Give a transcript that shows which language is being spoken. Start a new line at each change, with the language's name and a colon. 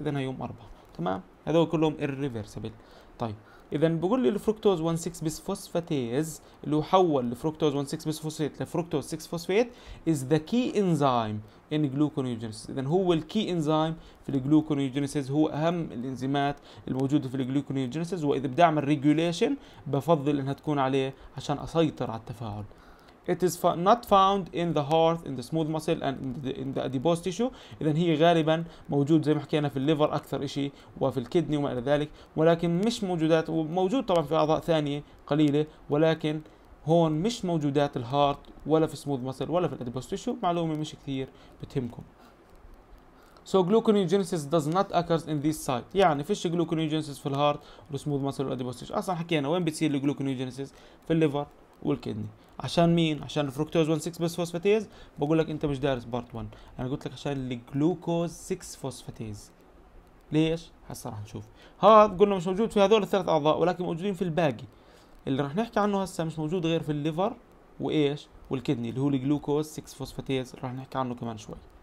Arabic: اذا هيوم اربعه، تمام، هذول كلهم irreversible. طيب اذا بقول لي الفركتوز 1 6 بس فوسفاتيز اللي حول الفركتوز 1 6 بس فوسفيت لفركتوز 6 فوسفيت
English: is the key enzyme in gluconeogenesis,
Arabic: اذا هو الكي انزايم في الجلوكونيوجينيسيس، هو اهم الانزيمات الموجوده في الجلوكونيوجينيسيس، واذا بدي اعمل ريجوليشن بفضل انها تكون عليه عشان اسيطر على التفاعل.
English: It is not found in the heart, in the smooth muscle, and in the adipose tissue.
Arabic: إذن هي غالباً موجود زي ما حكينا في الليفر أكثر إشي وفي الكيدني وما إلى ذلك، ولكن مش موجودات، وموجود طبعاً في أعضاء ثانية قليلة، ولكن هون مش موجودات الهارت ولا في smooth muscle ولا في adipose tissue. معلومة مش كثير بتهمكم.
English: So gluconeogenesis does not occur in this site.
Arabic: يعني فيش gluconeogenesis في الهارت والsmooth muscle والadipose tissue. أصلاً حكينا وين بتصير gluconeogenesis؟ في الليفر والكيدني. عشان مين؟ عشان الفركتوز 1 6 بس فوسفاتيز. بقول لك انت مش دارس بارت 1، انا قلت لك عشان الجلوكوز 6 فوسفاتيز. ليش؟ هسه راح نشوف. هذا قلنا مش موجود في هذول الثلاث اعضاء ولكن موجودين في الباقي اللي راح نحكي عنه هسه، مش موجود غير في الليفر وايش والكدني اللي هو الجلوكوز 6 فوسفاتيز، راح نحكي عنه كمان شوي.